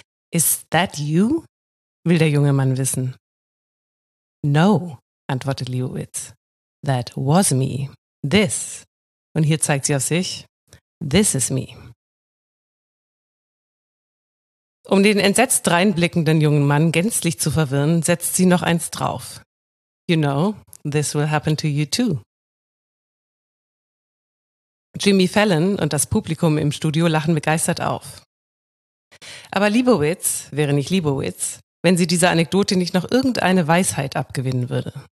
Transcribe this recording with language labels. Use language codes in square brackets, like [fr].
[de] Is that you? Will der junge Mann wissen. No, antwortet Lebowitz. [en] That was me. This. [de] Und hier zeigt sie auf sich. [en] This is me. [de] Um den entsetzt reinblickenden jungen Mann gänzlich zu verwirren, setzt sie noch eins drauf. [en] You know, this will happen to you too. [de] Jimmy Fallon und das Publikum im Studio lachen begeistert auf. Aber Lebowitz wäre nicht Lebowitz, wenn sie dieser Anekdote nicht noch irgendeine Weisheit abgewinnen würde.